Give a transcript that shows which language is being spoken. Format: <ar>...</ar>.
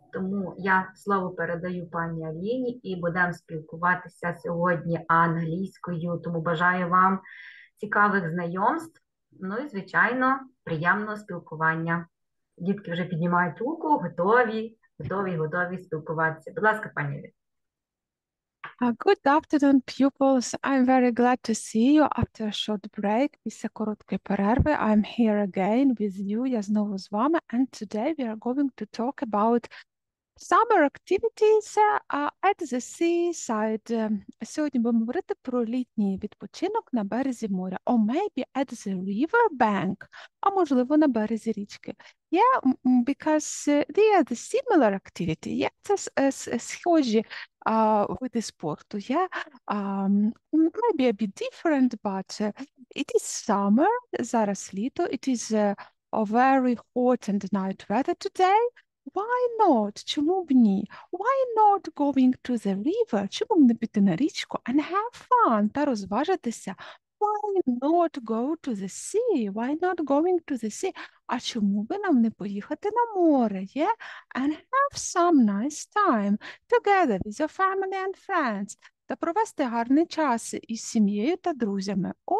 <uk>Тому я слово передаю пані Аліні і будемо спілкуватися сьогодні англійською. Тому бажаю вам цікавих знайомств, ну і, звичайно, приємного спілкування. Дітки вже піднімають руку, готові, готові, готові спілкуватися. Будь ласка, пані.</uk> <en>Good afternoon, pupils. I'm very glad to see you after a short break.</en> <uk>Після короткої перерви,</uk> <en>I'm here again with you.</en> <uk>Я знову з вами.</uk> <en>And today we are going to talk about summer activities at the seaside.</en> <uk>Сьогодні будемо говорити про літній відпочинок на березі моря.</uk> <en>Or maybe at the river bank.</en> <uk>А можливо, на березі річки.</uk> <en>Yeah, because they are the similar activity.</en> <uk>Yeah, це схожі види спорту.</uk> <en>Yeah, maybe a bit different, but it is summer.</en> <uk>Зараз літо.</uk> <en>It is a very hot and night weather today. Why not?</en> <uk>Чому б ні?</uk> <en>Why not going to the river?</en> <uk>Чому б не піти на річку</uk> <en>and have fun</en> <uk>та розважитися?</uk> <en>Why not go to the sea? Why not going to the sea?</en> <uk>А чому би нам не поїхати на море?</uk> <en>Yeah? And have some nice time together with your family and friends.</en> <uk>Та провести гарний час із сім'єю та друзями.</uk>